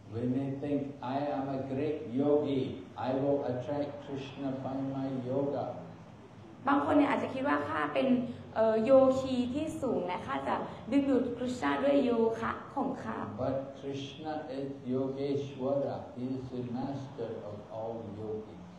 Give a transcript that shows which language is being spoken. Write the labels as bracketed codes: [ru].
[en] When they think I am a great yogi I will attract Krishna by my yoga [th] บางคนเนี่ยอาจจะคิดว่าข้าเป็นโยคีที่สูงและข้าจะดึงดูดคริสต์ด้วยโยคะของข้า [en] But Krishna is Yogeshwara He is the master of all yogis